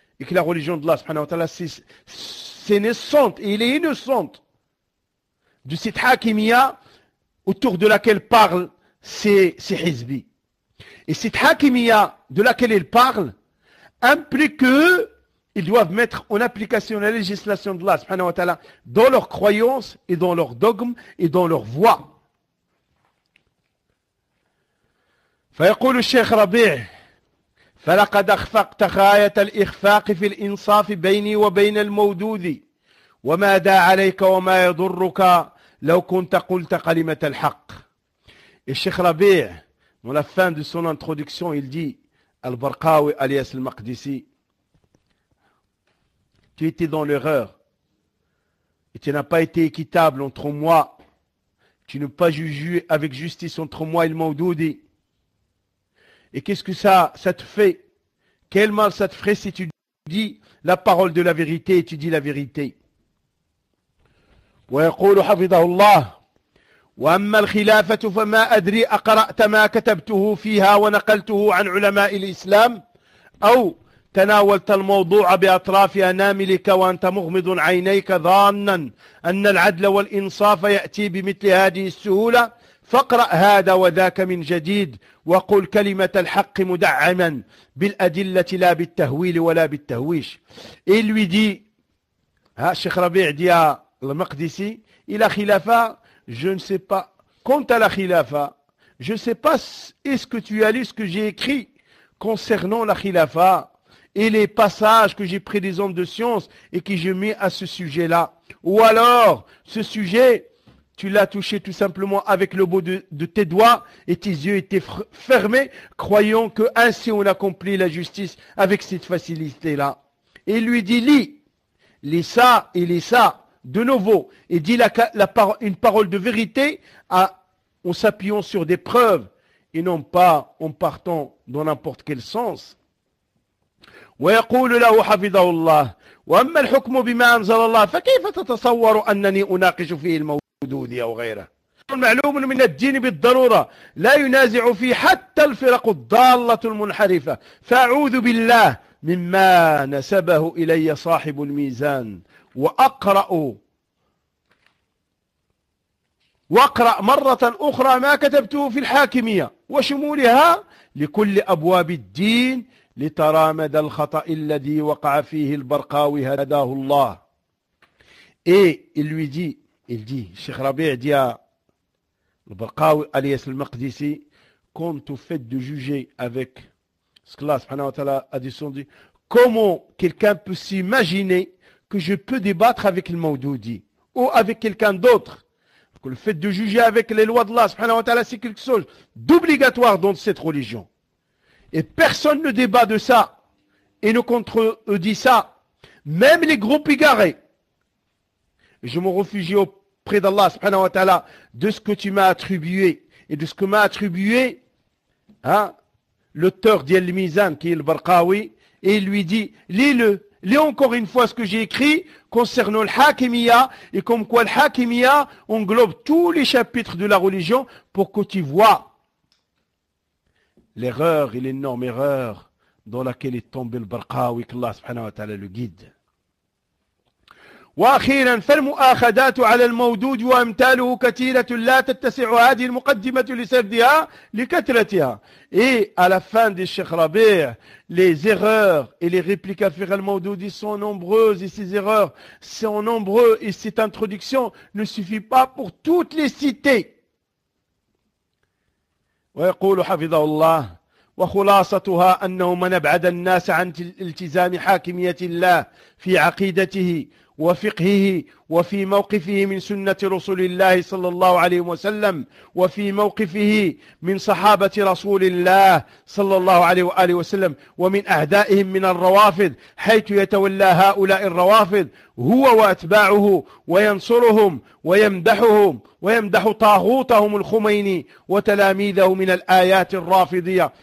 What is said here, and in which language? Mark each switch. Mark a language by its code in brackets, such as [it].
[fr] Et que la religion d'Allah subhanahu wa ta'ala, c'est naissante et il est innocente de cette hakimia autour de laquelle parlent ces hizbi. Et cette hakimia de laquelle ils parlent implique qu'ils doivent mettre en application la législation d'Allah subhanahu wa ta'ala dans leurs croyances et dans leurs dogmes et dans leurs voies. [ar] فيقول الشيخ ربيع فلقد اخفقت غاية الاخفاق في الانصاف بيني وبين المودودي وماذا عليك وما يضرك لو كنت قلت كلمة الحق. [fr] الشيخ ربيع dans la fin de son introduction il dit البرقاوي alias المقدسي tu étais dans l'erreur et tu n'as pas été équitable entre moi, tu n'as pas jugé avec justice entre moi et le مودودي. Et qu'est-ce que ça te fait? Quel mal ça te ferait si tu dis la parole de la vérité et tu dis la vérité? [ar] ويقول حفظه الله واما الخلافة فما ادري اقرات ما كتبته فيها ونقلته عن علماء الاسلام او تناولت الموضوع باطراف اناملك وانت مغمض عينيك ظانا ان العدل والانصاف ياتي بمثل هذه السهولة فاقرأ هذا وذاك من جديد وقل كلمة الحق مدعما بالأدلة لا بالتهويل ولا بالتهويش. [fr] Et lui dit, Cheikh Rabi' dit à Al-Maqdisi, il a khilafa, je ne sais pas, quant à la khilafa, je ne sais pas est-ce que tu as lu ce que j'ai écrit concernant la khilafa et les passages que j'ai pris des hommes de science et que j'ai mis à ce sujet-là. Ou alors, ce sujet, tu l'as touché tout simplement avec le bout de tes doigts et tes yeux étaient fermés, croyant que ainsi on accomplit la justice avec cette facilité-là. Et il lui dit, lis ça, de nouveau, et dis une parole de vérité en s'appuyant sur des preuves et non pas en partant dans n'importe quel sens. [ar] ويقول له حفظه الله واما الحكم بما انزل الله فكيف تتصور انني اناقش فيه الموضوع دودي أو غيره. المعلوم من الدين بالضرورة لا ينازع فيه حتى الفرق الضالة المنحرفة فأعوذ بالله مما نسبه إلي صاحب الميزان وأقرأ مرة أخرى ما كتبته في الحاكمية وشمولها لكل أبواب الدين لترى مدى الخطأ الذي وقع فيه البرقاوي هداه الله. [fr] Il dit, Cheikh Rabi' dit à Al-Barqawi alias Al-Maqdisi, quant au fait de juger avec ce que Allah subhanahu wa ta'ala a descendu, comment quelqu'un peut s'imaginer que je peux débattre avec le Maududi ou avec quelqu'un d'autre? Que le fait de juger avec les lois de Allah subhanahu wa ta'ala, c'est quelque chose d'obligatoire dans cette religion. Et personne ne débat de ça et ne contredit ça, même les groupes égarés. Je me réfugie auprès d'Allah subhanahu wa ta'ala de ce que tu m'as attribué et de ce que m'a attribué l'auteur d'Yel Mizan qui est le Barqawi, et il lui dit, lis encore une fois ce que j'ai écrit concernant le Hakimiya et comme quoi le Hakimiya englobe tous les chapitres de la religion pour que tu vois l'erreur et l'énorme erreur dans laquelle est tombé le Barqawi, que Allah subhanahu wa ta'ala le guide. [ar] واخيرا فالمؤاخذات على المودود وامثاله كثيره لا تتسع هذه المقدمه لسردها لكثرتها. [fr] Et à la fin de Cheikh Rabi', les erreurs et les répliques à faire à al-Maududi sont nombreuses et ces erreurs sont nombreuses et cette introduction ne suffit pas pour toutes les citer. [ar] ويقول حفظه الله وخلاصتها انه من ابعد الناس عن التزام حاكميه الله في عقيدته وفقهه وفي موقفه من سنة رسول الله صلى الله عليه وسلم، وفي موقفه من صحابة رسول الله صلى الله عليه وآله وسلم، ومن أعدائهم من الروافض، حيث يتولى هؤلاء الروافض هو وأتباعه وينصرهم ويمدحهم ويمدح طاغوتهم الخميني وتلاميذه من الآيات الرافضية.